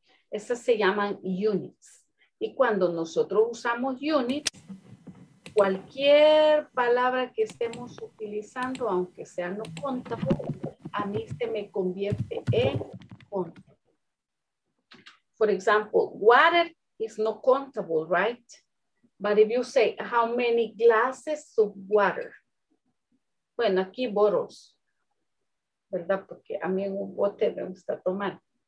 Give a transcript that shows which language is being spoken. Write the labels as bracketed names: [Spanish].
[Spanish] Esas se llaman units. Y cuando nosotros usamos units, cualquier palabra que estemos utilizando, aunque sea no contable, a mí se me convierte en contable. [English] For example, water is not contable, right? But if you say, how many glasses of water? [Spanish] Bueno, aquí bottles, ¿verdad? Porque a mí un bote me gusta tomar.